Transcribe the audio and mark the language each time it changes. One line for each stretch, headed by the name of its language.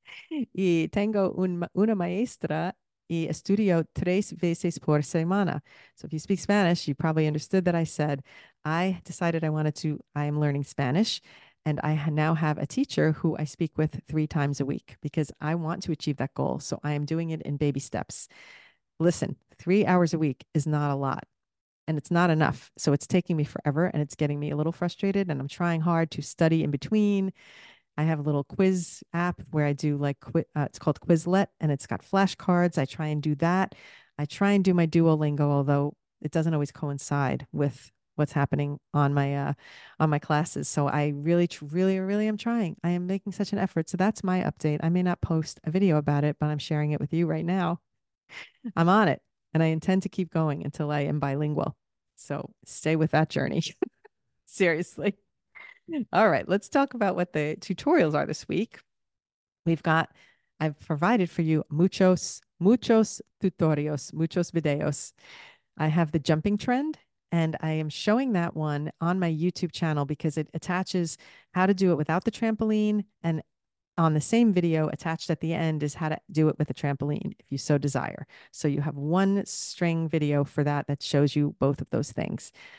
Spanish: Y tengo una maestra y estudio tres veces por semana.
English: So if you speak Spanish, you probably understood that I said, I decided I wanted to, I am learning Spanish, and I now have a teacher who I speak with 3 times a week because I want to achieve that goal. So I am doing it in baby steps. Listen, 3 hours a week is not a lot, and it's not enough. So it's taking me forever, and it's getting me a little frustrated, and I'm trying hard to study in between. I have a little quiz app where I do like it's called Quizlet, and it's got flashcards. I try and do that. I try and do my Duolingo, although it doesn't always coincide with what's happening on my classes. So I really, really, really am trying. I am making such an effort. So that's my update. I may not post a video about it, but I'm sharing it with you right now. I'm on it, and I intend to keep going until I am bilingual. So stay with that journey. Seriously. All right, let's talk about what the tutorials are this week. I've provided for you
Spanish: muchos, muchos tutorios, muchos videos.
English: I have the jumping trend, and I am showing that one on my YouTube channel because it attaches how to do it without the trampoline. And on the same video, attached at the end, is how to do it with a trampoline if you so desire. So you have one string video for that that shows you both of those things.